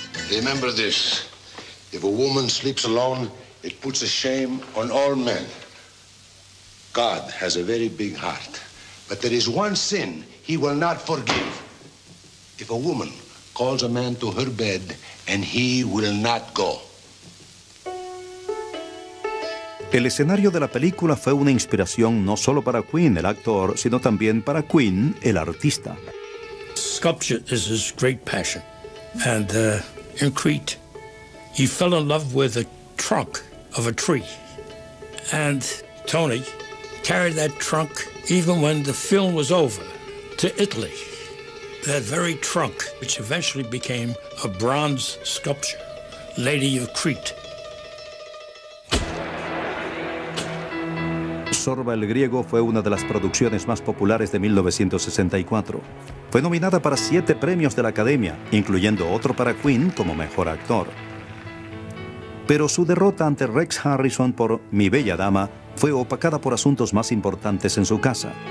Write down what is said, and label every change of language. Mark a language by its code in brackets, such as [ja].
[en] Remember this. If a woman sleeps alone, it puts a shame on all men. God has a very big heart. But there is one sin he will not forgive. If a woman calls a man to her bed and he will not go. [es] El escenario de la película fue una inspiración no solo para Quinn, el actor, sino también para Quinn, el artista. [en] Sculpture is his great passion. And in Crete, he fell in love with the trunk of a tree. And Tony carried that trunk, even when the film was over, to Italy. That very trunk, which eventually became a bronze sculpture, Lady of Crete. [es] Zorba el Griego fue una de las producciones más populares de 1964. Fue nominada para 7 premios de la Academia, incluyendo otro para Quinn como mejor actor. Pero su derrota ante Rex Harrison por Mi Bella Dama fue opacada por asuntos más importantes en su casa.